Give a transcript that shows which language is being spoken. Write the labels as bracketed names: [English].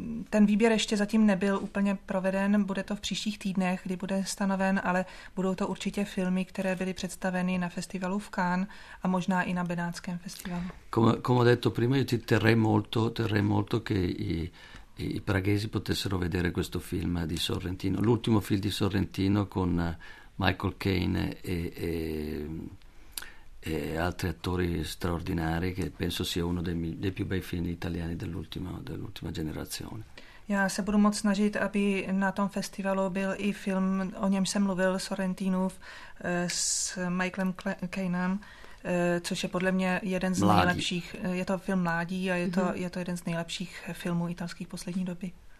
[Czech] Ten výběr ještě zatím nebyl úplně proveden, bude to v příštích týdnech, kdy bude stanoven, ale budou to určitě filmy, které byly představeny na festivalu v Cannes a možná i na benátském festivalu. [Italian] Come ho detto prima, io ti terrei molto che i praghesi potessero vedere questo film di Sorrentino, l'ultimo film di Sorrentino con Michael Caine e altri attori straordinari, che penso sia uno dei più bei film italiani dell'ultima generazione. [Czech] Já se budu moc snažit, aby na tom festivalu byl i film, o něm jsem mluvil, Sorrentinův s Michaelem Cainem, což je podle mě jeden z nejlepších, je to film mládí a je to jeden z nejlepších filmů italských poslední doby.